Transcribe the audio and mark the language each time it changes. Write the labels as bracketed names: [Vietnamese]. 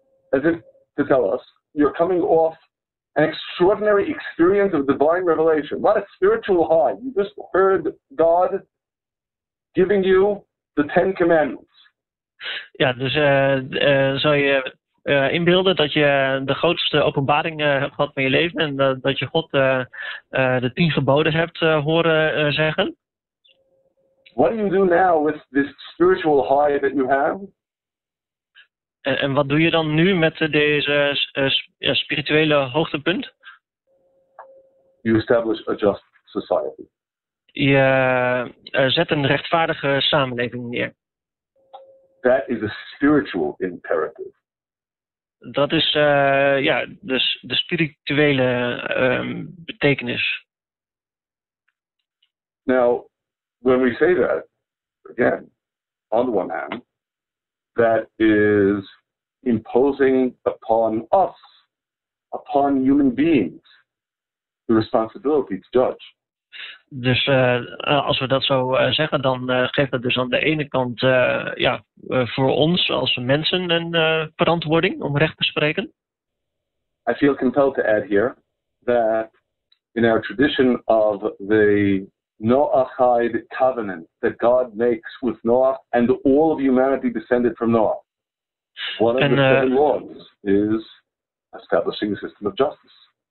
[English] As if to tell us, you're coming off an extraordinary experience of divine revelation. What a spiritual high. You just heard God giving you the Ten Commandments. [Dutch] Ja, dus zou je inbeelden dat je de grootste openbaring hebt gehad van je leven en dat je God de 10 geboden hebt horen zeggen? [English] What do you do now with this spiritual high that you have? [Dutch] En wat doe je dan nu met deze spirituele hoogtepunt? [English] You establish a just society. [Dutch] Je zet een rechtvaardige samenleving neer. [English] That is a spiritual imperative. [Dutch] Dat is de spirituele betekenis. [English] Now, when we say that, again, on the one hand, that is imposing upon us, upon human beings, the responsibility to judge. [Dutch] Dus als we dat zo zeggen, dan geeft dat dus aan de ene kant voor ons als mensen een verantwoording om recht te spreken. [English] I feel compelled to add here that in our tradition of the Noahide covenant that God makes with Noah and all of humanity descended from Noah, one of the seven laws is establishing a system of justice.